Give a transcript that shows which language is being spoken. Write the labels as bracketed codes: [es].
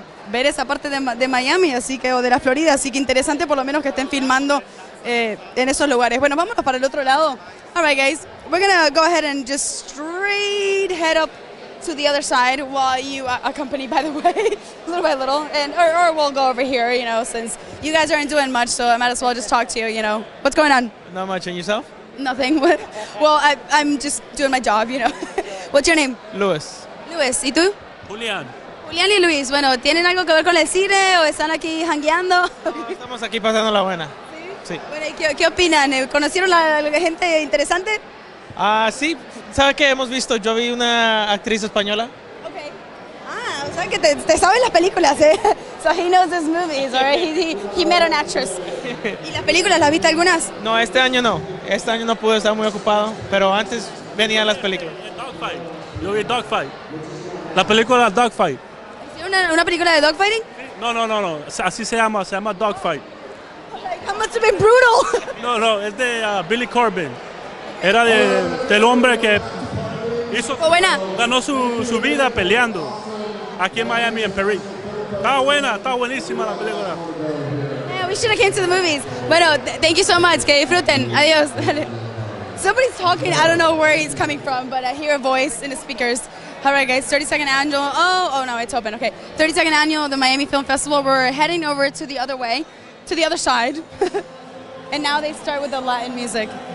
[es] ver esa parte de Miami, así que, o de la Florida, así que interesante por lo menos que estén filmando en esos lugares. Bueno, vámonos para el otro lado. [en] All right, guys, we're gonna go ahead and just straight head up to the other side while you accompany, by the way, little by little, and or we'll go over here, you know, since you guys aren't doing much, so I might as well just talk to you, you know. What's going on? Not much. And yourself? Nothing. Well, I'm just doing my job, you know. What's your name? Luis. [es] Luis, ¿y tú? Julián. Julián y Luis, bueno, ¿tienen algo que ver con el cine o están aquí jangueando? No, estamos aquí pasando la buena. ¿Sí? Sí. Bueno, ¿y qué opinan? ¿Conocieron a la gente interesante? Ah, sí. ¿Sabes qué hemos visto? Yo vi una actriz española. Ok. Ah, o sea que te saben las películas, ¿eh? [en] So he knows his movies, right? He met an actress. [es] ¿Y las películas, las viste algunas? No, este año no. Este año no pude, estar muy ocupado, pero antes venían las películas. Dogfight. Yo vi Dogfight. La película Dogfight. ¿Una película de dogfighting? No, así se llama Dogfight. [en] Oh my That must have been brutal. [es] No, es de Billy Corbin. Era de, del hombre que hizo, oh, buena. Ganó su vida peleando aquí en Miami, en Perú. Está buenísima la película. [en] Yeah, we should have came to the movies. [es] Bueno, [en] thank you so much. [es] Que disfruten. Adiós. [en] Somebody's talking. I don't know where he's coming from, but I hear a voice in the speakers. All right, guys, 32nd annual. Oh, no, it's open. Okay, 32nd annual of the Miami Film Festival. We're heading over to the other way, to the other side. And now they start with the Latin music.